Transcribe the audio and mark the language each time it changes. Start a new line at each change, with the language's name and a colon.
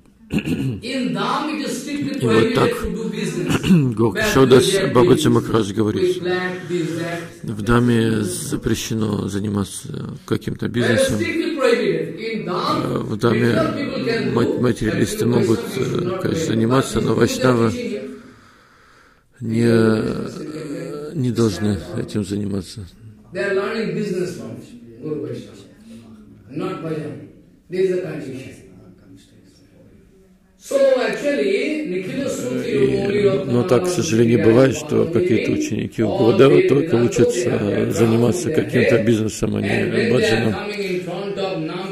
Russian: И вот так Гуру Кишор Дас Бабаджи Махарадж говорит, в даме запрещено заниматься каким-то бизнесом, в даме материалисты могут, конечно, заниматься, но вайшнавы не должны этим заниматься.
English: They are learning business from Guru Vaishnava, not bhajan. This is the condition. So actually,
Russian: Nikhila Sutri, но так, к сожалению, бывает, что какие-то ученики у Гурудева только учатся заниматься каким-то бизнесом, а не бхаджаном.